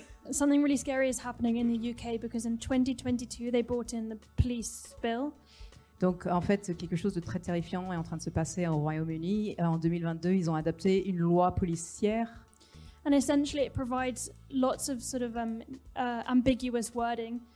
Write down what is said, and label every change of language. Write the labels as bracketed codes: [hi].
[en] Something really scary is happening in the UK because in 2022 they brought in the police bill. [fr] Donc en fait quelque chose de très terrifiant est en train de se passer au Royaume-Uni. En 2022 ils ont adopté une loi policière. [en] And essentially it provides lots of sort of ambiguous wording.